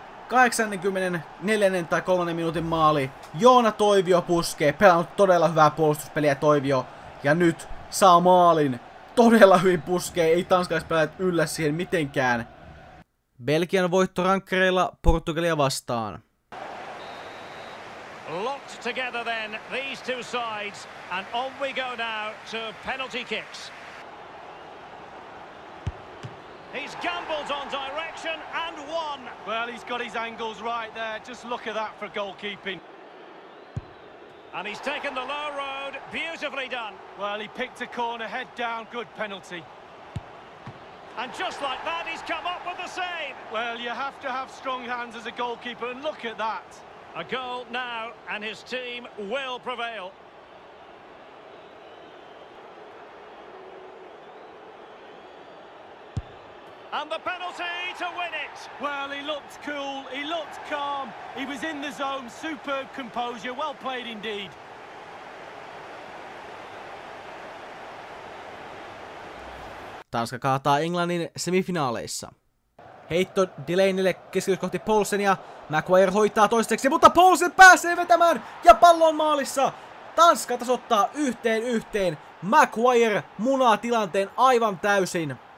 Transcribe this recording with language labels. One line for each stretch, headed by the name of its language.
Finnish: 84. tai 3. minuutin maali. Joona Toivio puskee. Pelannut todella hyvää puolustuspeliä Toivio. Ja nyt saa maalin. Todella hyvin puskee. Ei tanskalaispelaajat yllä siihen mitenkään. Belgian voitto rankkareilla Portugalia vastaan.
English: Locked together then these two sides. And on we go now to penalty kicks. He's gambled on direction and won. Well, he's got his angles right there. Just look at that for goalkeeping. And he's taken the low road. Beautifully done. Well, he picked a corner, head down, good penalty. And just like that, he's come up with the save. Well, you have to have strong hands as a goalkeeper, and look at that. A goal now, and his team will prevail. And the penalty to win it. Well, he looked cool, he looked calm, he was in the zone, superb composure, well played indeed.
Finnish: Tanska kaataa Englannin semifinaaleissa. Heitto Delaneylle keskitys kohti Paulsenia. Maguire hoitaa toiseksi, mutta Paulsen pääsee vetämään ja pallo on maalissa. Tanska tasoittaa 1-1. Maguire munaa tilanteen aivan täysin.